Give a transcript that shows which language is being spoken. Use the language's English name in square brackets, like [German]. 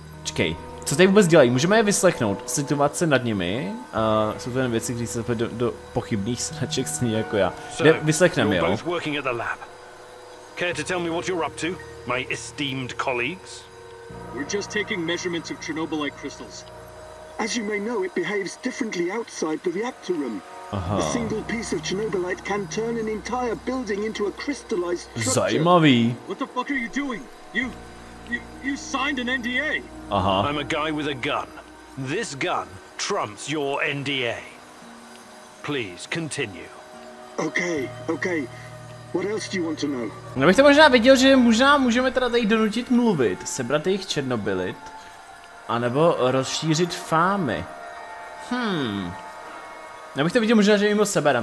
[Czech] Čekej, co tady vůbec dělají? Můžeme je vyslechnout. Situace nad nimi. Jsou to jen věci, které se zapadly do pochybných sraček sní jako já. Jde, vyslechneme, jo. [English] Both working at the lab. Care to tell me what you're up to, my esteemed colleagues? We're just taking measurements of Chernobylite crystals. As you may know, it behaves differently outside the reactor room. Aha. A single piece of Chernobylite can turn an entire building into a crystallized structure. Zajímavý. What the fuck are you doing? You signed an NDA. Aha. I'm a guy with a gun. This gun trumps your NDA. Please continue. Okay, okay. What else do you want to know? [Czech] No, bych to možná viděl, že možná můžeme teda tady donutit mluvit, sebrat jejich Černobylit, anebo rozšířit fámy. Já bych to viděl možná, že jim ho seberám.